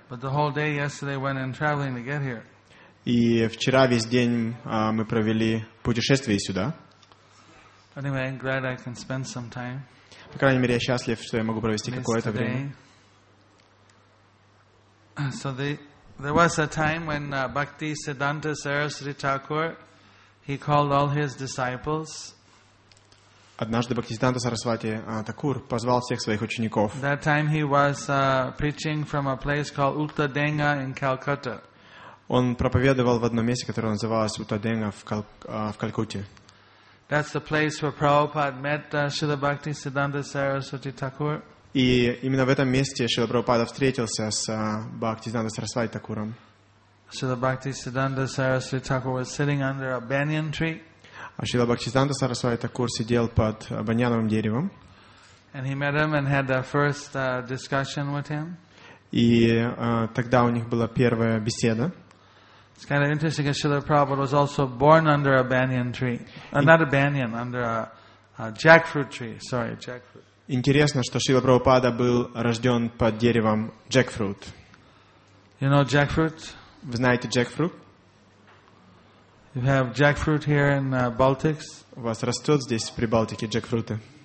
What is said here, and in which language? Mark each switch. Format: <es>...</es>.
<en>But the whole day yesterday went in traveling to get here.</en> <ru>И вчера весь день мы провели путешествие сюда.</ru> <en>Anyway, I'm glad I can spend some time.</en> <ru>По крайней мере, я счастлив, что я могу провести какое-то время.</ru> <en>So there was a time when Bhakti Siddhanta Saraswati Thakur He called all his disciples.</en> <ru>Однажды Бхактисиддханта Сарасвати Такур позвал всех своих учеников.</ru> <en>That time he was preaching from a place called Uttadenga in Calcutta.</en> <ru>Он проповедовал в одном месте, которое называлось Uttadenga в Калькутте.</ru> <en>That's the place where Prabhupada met Srila Bhaktisiddhanta Saraswati Thakur.</en> <ru>И именно в этом месте Шрила Прабхупада встретился с Бхактисиддханта Сарасвати Такуром.</ru> <en>Srila Bhaktisiddhanta Saraswati Thakur was sitting under a banyan tree.</en> <ru>Srila Bhaktisiddhanta Saraswati Thakur сидел под баньяновым деревом.</ru> <en>And he met him and had the first discussion with him.</en> <ru>И тогда у них была первая беседа.</ru> <en>It's kind of interesting because Srila Prabhupada was also born under a banyan tree. Not a banyan, under a jackfruit tree. Sorry, jackfruit.</en> <ru>Интересно, что Шрила Прабхупада был рожден под деревом jackfruit.</ru> <en>You know jackfruit?</en> <ru>Вы знаете jackfruit?</ru> <en>You have jackfruit here in the Baltics.</en> <ru>У вас растут здесь в Прибалтике jackfruit?</ru>